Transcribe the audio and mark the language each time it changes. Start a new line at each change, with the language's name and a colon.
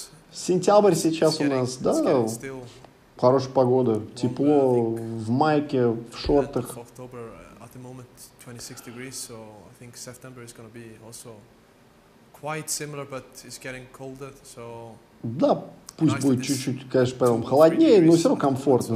Russian: Сентябрь сейчас у нас, да? Хорошая погода, тепло, в майке, в шортах.
English: the moment 26 degrees, so I think September is going to be also quite similar, but it's getting colder, so...
Russian: Да, пусть будет чуть-чуть, конечно, потом холоднее, но все равно комфортно.